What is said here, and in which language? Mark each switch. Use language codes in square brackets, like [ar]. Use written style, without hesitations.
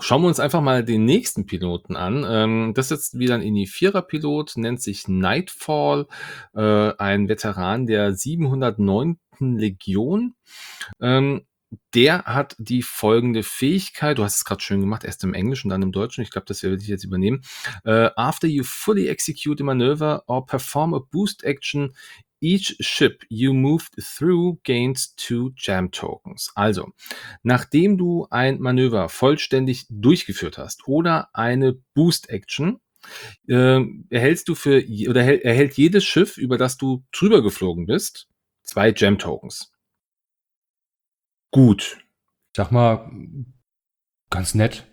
[de] Schauen wir uns einfach mal den nächsten Piloten an. Das ist jetzt wieder ein Inifierer-Pilot, nennt sich Nightfall, ein Veteran der 709. Legion. Der hat die folgende Fähigkeit, du hast es gerade schön gemacht, erst im Englischen, dann im Deutschen, ich glaube, das werde ich jetzt übernehmen. [en] After you fully execute a maneuver or perform a boost action, each ship you moved through gains 2 Jam Tokens. [de] Also, nachdem du ein Manöver vollständig durchgeführt hast oder eine Boost Action, erhält jedes Schiff, über das du drüber geflogen bist, 2 Jam Tokens. Gut. Sag mal, ganz nett.